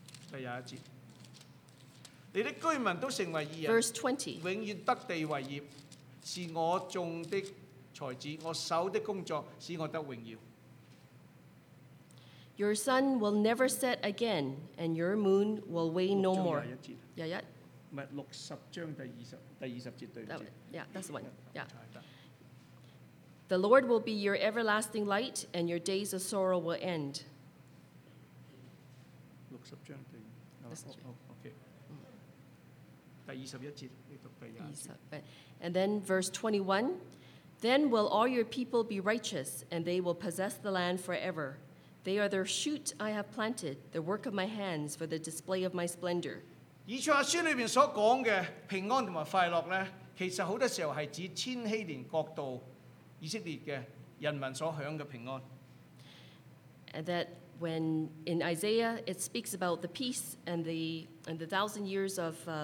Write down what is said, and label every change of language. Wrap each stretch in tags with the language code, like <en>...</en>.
<zh>第廿一節，你的居民都成為義人。</zh> <en>Verse 20.</en> <zh>永遠得地為業，是我種的才子，我手的工作，使我得榮耀。</zh> <en>Your sun will never set again, and your moon will wane no more.</en> <zh>廿一。六十章第二十節對唔住。</zh> <en>Yeah, that's the one. Yeah. The Lord will be your everlasting light, and your days of sorrow will end.</en> <zh>六十章第二十節。第二十一節，你讀第二十。</zh> <en>And then verse 21, then will all your people be righteous, and they will possess the land forever. They are the shoot I have planted, the work of my hands, for the display of my splendor.</en> <zh>以賽亞書裏邊所講嘅平安同埋快樂咧，其實好多時候係指千禧年國度以色列嘅人民所享嘅平安。</zh> <en>That when in Isaiah it speaks about the peace and the thousand years of</en>